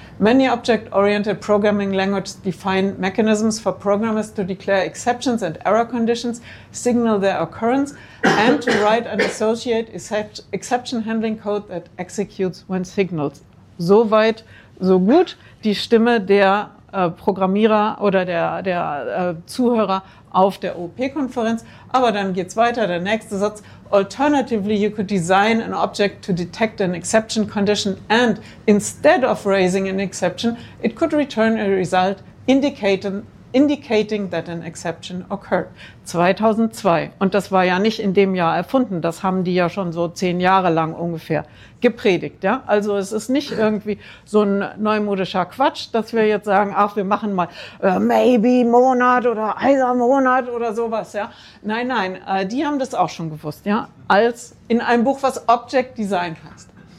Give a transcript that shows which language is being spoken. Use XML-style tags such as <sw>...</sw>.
<en>Many object-oriented programming languages define mechanisms for programmers to declare exceptions and error conditions, signal their occurrence, and to write and associate exception handling code that executes when signaled.</en> <de>Soweit, so gut. Die Stimme der Programmierer oder der Zuhörer auf der OP-Konferenz. Aber dann geht's weiter, der nächste Satz.</de> <en>Alternatively, you could design an object to detect an exception condition and instead of raising an exception, it could return a result indicating that an exception occurred.</en> <de>2002. Und das war ja nicht in dem Jahr erfunden. Das haben die ja schon so 10 Jahre lang ungefähr gepredigt. Ja? Also es ist nicht irgendwie so ein neumodischer Quatsch, dass wir jetzt sagen, ach, wir machen mal maybe Monat oder Eiser Monat oder sowas. Ja? Nein, nein, die haben das auch schon gewusst. Ja? Als in einem Buch, was Object Design heißt.</de>